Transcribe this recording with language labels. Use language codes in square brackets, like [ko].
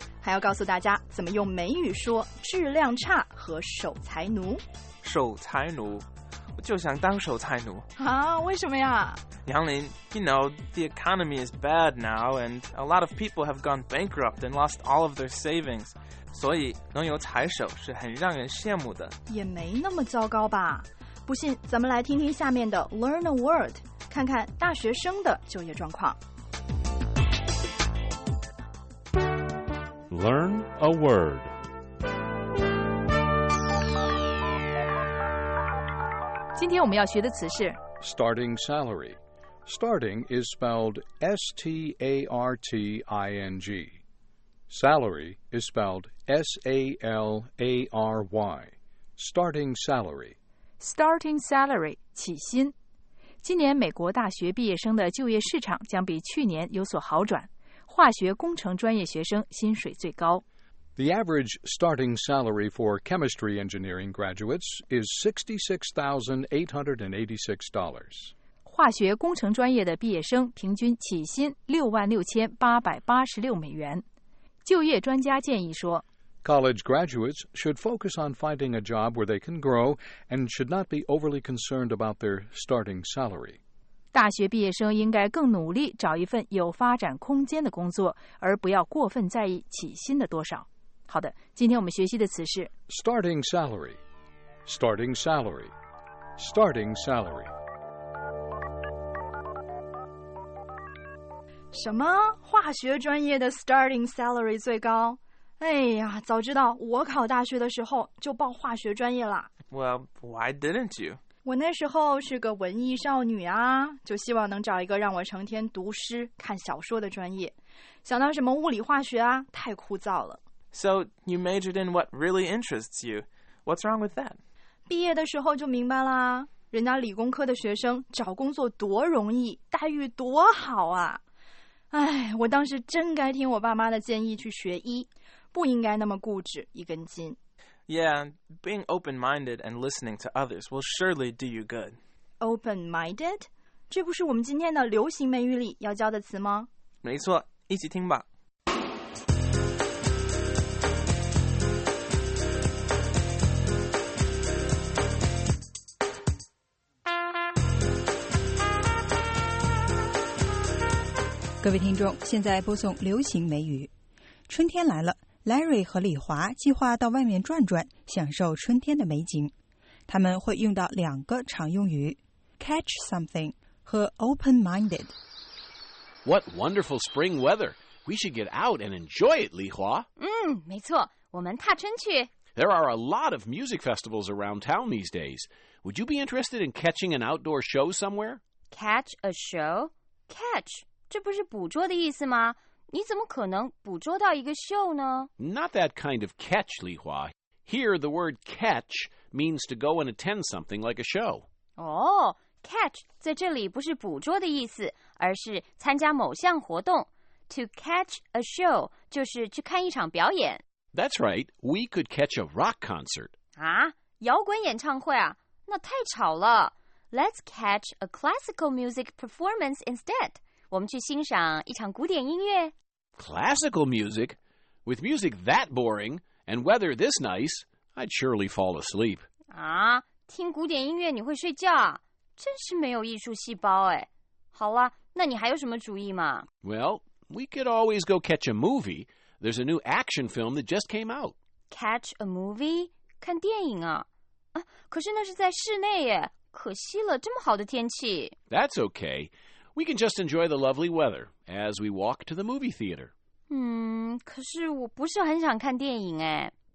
[zh] 还要告诉大家怎么用美语说质量差和守财奴。守财奴，我就想当守财奴。啊，为什么呀？ [en] 杨林， you know, the economy is bad now, and a lot of people have gone bankrupt and lost all of their savings. [zh] 所以能有财手是很让人羡慕的。也没那么糟糕吧？不信，咱们来听听下面的 Learn a Word, 看看大学生的就业状况。 [en] Learn a Word。 [zh] 今天我们要学的词是 [en] Starting Salary。 Starting is spelled S-T-A-R-T-I-N-G. Salary is spelled S-A-L-A-R-Y. Starting salary. Starting salary, [zh] 起薪。今年美国大学毕业生的就业市场将比去年有所好转。化学工程专业学生薪水最高。 [en] The average starting salary for chemistry engineering graduates is $66,886. [zh] 化学工程专业的毕业生平均起薪$66,886。就业专家建议说 [en] ，College graduates should focus on finding a job where they can grow and should not be overly concerned about their starting salary. [zh] 大学毕业生应该更努力找一份有发展空间的工作，而不要过分在意起薪的多少。好的，今天我们学习的词是 [en] starting salary, starting salary, starting salary. [zh] 什么化学专业的 starting salary 最高？哎呀，早知道我考大学的时候就报化学专业了。 [en] Well, why didn't you? [zh] 我那时候是个文艺少女啊，就希望能找一个让我成天读诗看小说的专业。想到什么物理化学啊，太枯燥了。 [en] So you majored in what really interests you. What's wrong with that? [zh] 毕业的时候就明白啦。人家理工科的学生找工作多容易，待遇多好啊。哎，我当时真该听我爸妈的建议去学医，不应该那么固执一根筋。 [en] Yeah, being open-minded and listening to others will surely do you good. Open-minded? [zh] 这不是我们今天的流行美语里要教的词吗？没错，一起听吧。各位听众，现在播送流行美语。春天来了， Larry 和李华计划到外面转转，享受春天的美景。他们会用到两个常用语 catch something 和 open-minded。 [en] What wonderful spring weather. We should get out and enjoy it, 李华。 [zh] 嗯，没错，我们踏春去。 [en] There are a lot of music festivals around town these days. Would you be interested in catching an outdoor show somewhere? Catch a show? Catch? [zh] 这不是捕捉的意思吗？你怎么可能捕捉到一个秀呢？ [en] Not that kind of catch, 李华. Here, the word catch means to go and attend something like a show. [zh] Oh, catch 在这里不是捕捉的意思，而是参加某项活动。 To catch a show 就是去看一场表演。 [en] That's right. We could catch a rock concert. [zh] 啊，摇滚演唱会啊？那太吵了。 [en] Let's catch a classical music performance instead. [zh] 我们去欣赏一场古典音乐。 [en] Classical music? With music that boring, and weather this nice, I'd surely fall asleep. [zh] 啊，听古典音乐你会睡觉啊？真是没有艺术细胞哎。好了，那你还有什么主意吗？ [en] Well, we could always go catch a movie. There's a new action film that just came out. Catch a movie? [zh] 看电影啊？啊，可是那是在室内耶，可惜了，这么好的天气。 [en] That's okay. We can just enjoy the lovely weather as we walk to the movie theater. [zh] 可是我不是很想看电影哎。